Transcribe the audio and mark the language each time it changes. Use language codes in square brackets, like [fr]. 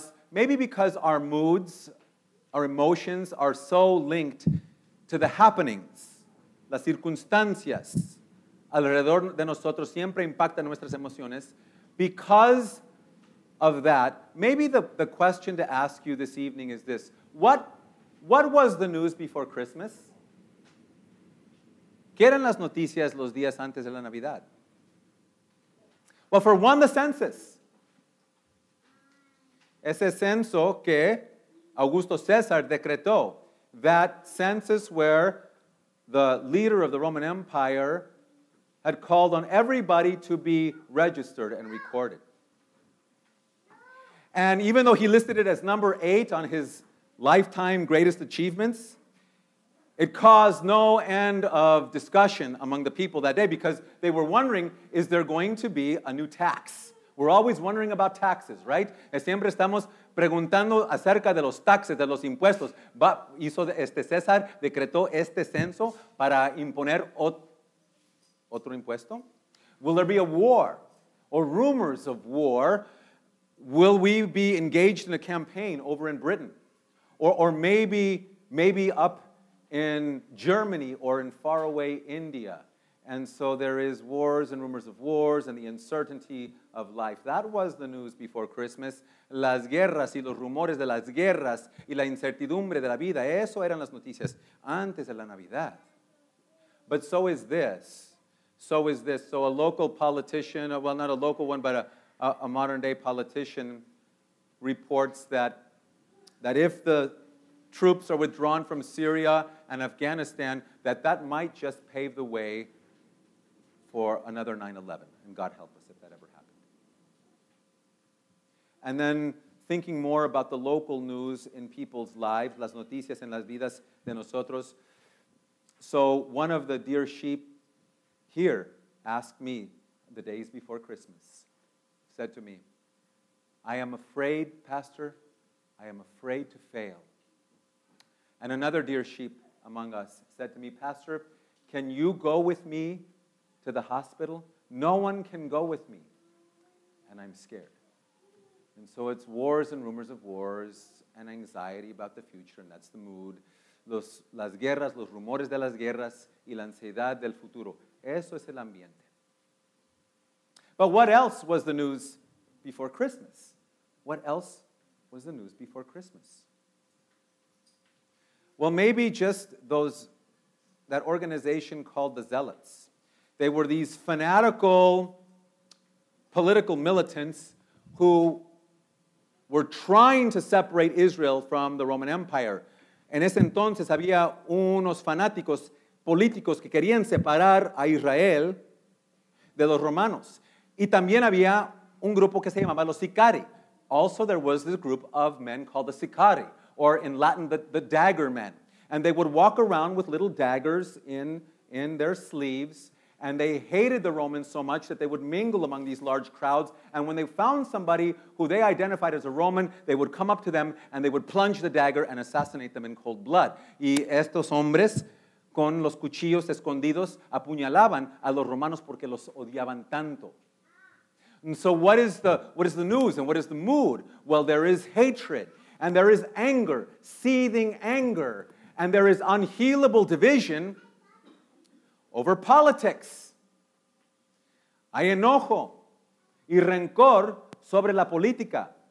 [en] Maybe because our moods, our emotions are so linked to the happenings, [es] las circunstancias alrededor de nosotros siempre impactan nuestras emociones, [en] because of that, maybe the question to ask you this evening is this. What was the news before Christmas? [es] ¿Qué eran las noticias los días antes de la Navidad? [en] Well, for one, the census. [es] Ese censo que Augusto César decretó, [en] that census where the leader of the Roman Empire had called on everybody to be registered and recorded. And even though he listed it as number 8 on his lifetime greatest achievements, it caused no end of discussion among the people that day because they were wondering, is there going to be a new tax? We're always wondering about taxes, right? [es] Siempre estamos preguntando acerca de los taxes, de los impuestos. César decretó este censo para imponer otro impuesto. [en] Will there be a war or rumors of war? Will we be engaged in a campaign over in Britain? Or maybe up in Germany or in faraway India? And so there is wars and rumors of wars and the uncertainty of life. That was the news before Christmas. [es] Las guerras y los rumores de las guerras y la incertidumbre de la vida. Eso eran las noticias antes de la Navidad. [en] But so is this. So is this. So a local politician, well, not a local one, but a modern-day politician reports that if the troops are withdrawn from Syria and Afghanistan, that might just pave the way for another 9/11, and God help us if that ever happened. And then thinking more about the local news in people's lives, [es] las noticias en las vidas de nosotros. [en] So one of the dear sheep here asked me the days before Christmas, said to me, "I am afraid, Pastor, I am afraid to fail." And another dear sheep among us said to me, "Pastor, can you go with me to the hospital? No one can go with me, and I'm scared." And so it's wars and rumors of wars and anxiety about the future, and that's the mood. [es] Las guerras, los rumores de las guerras y la ansiedad del futuro. Eso es el ambiente. [en] But what else was the news before Christmas? What else was the news before Christmas? Well, maybe just that organization called the Zealots. They were these fanatical political militants who were trying to separate Israel from the Roman Empire. [es] En ese entonces había unos fanáticos políticos que querían separar a Israel de los romanos. Y también había un grupo que se llamaba los Sicari. [en] Also, there was this group of men called the Sicari, or in Latin, the dagger men. And they would walk around with little daggers in their sleeves. And they hated the Romans so much that they would mingle among these large crowds. And when they found somebody who they identified as a Roman, they would come up to them and they would plunge the dagger and assassinate them in cold blood. [es] Y estos hombres con los cuchillos escondidos apuñalaban a los romanos porque los odiaban tanto. [en] And so what is the news and what is the mood? Well, there is hatred and there is anger, seething anger. And there is unhealable division over politics. [es] Hay enojo y rencor sobre la política.